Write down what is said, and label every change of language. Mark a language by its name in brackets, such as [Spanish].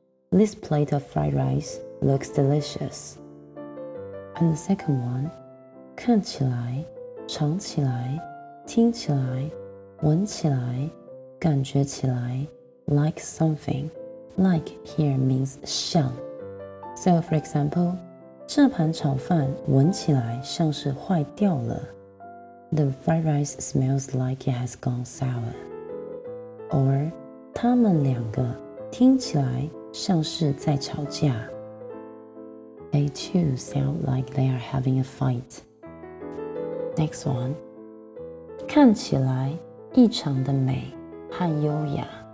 [English] This plate of fried rice looks delicious. And the second one, [Chinese] 看起来尝起来听起来闻起来感觉起来 [English] like something. Like here means 像。So, for example, [Chinese] 这盘炒饭闻起来像是坏掉了。 [English] The fried rice smells like it has gone sour. Or, [Chinese] 他们两个听起来像是在吵架。 [English] They too sound like they are having a fight. Next one. [Chinese] 看起来异常的美和优雅。